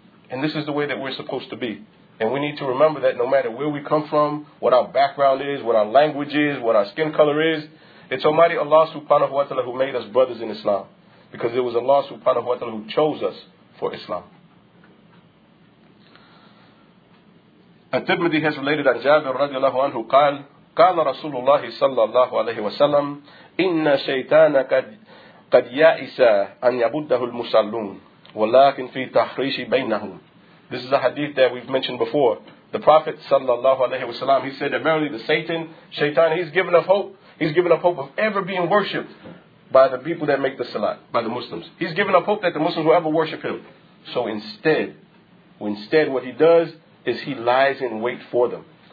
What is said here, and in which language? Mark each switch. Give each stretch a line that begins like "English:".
English: And this is the way that we're supposed to be. And we need to remember that no matter where we come from, what our background is, what our language is, what our skin color is, it's Almighty Allah subhanahu wa ta'ala who made us brothers in Islam. Because it was Allah subhanahu wa ta'ala who chose us for Islam. At-Tirmidhi has related on Jabir radiallahu anhu,
Arabic: قال رسول الله صلى الله عليه وسلم إن شيطان قد يائس أن يبده المصلون ولكن في تحريش بينهم.
English: This is a hadith that we've mentioned before. The Prophet sallallahu alaihi wasallam, he said that verily the Shaitan, he's given up hope. He's given up hope of ever being worshipped by the people that make the Salat, by the Muslims. He's given up hope that the Muslims will ever worship him. So instead what he does is he lies in wait for them.